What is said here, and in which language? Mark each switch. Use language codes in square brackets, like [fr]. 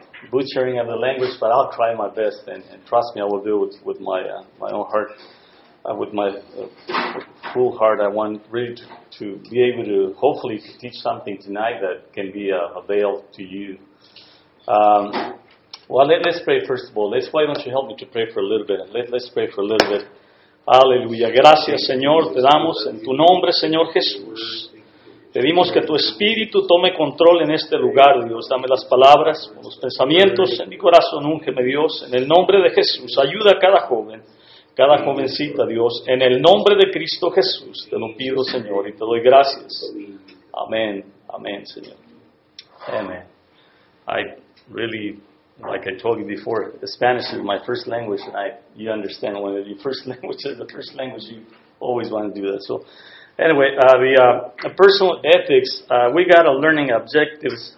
[en] butchering of the language, but I'll try my best, and trust me, I will do it with my my own heart, with my full heart. I want really to be able to hopefully to teach something tonight that can be a avail to you. Let's pray first of all. Why don't you help me to pray for a little bit? Let's pray for a little bit. [es] Aleluya. Gracias, Señor. Te damos en tu nombre, Señor Jesús. Pedimos que tu espíritu tome control en este lugar, Dios. Dame las palabras, los pensamientos en mi corazón. Úngeme, Dios. En el nombre de Jesús. Ayuda a cada joven. Cada jovencita, Dios, en el nombre de Cristo Jesús, te lo pido, Señor, y te doy gracias. Amén. Amén, Señor. Amén. [en] I really, like I told you before, Spanish is my first language, and you understand when your first language is the first language, you always want to do that. So, anyway, personal ethics, we got a learning objectives.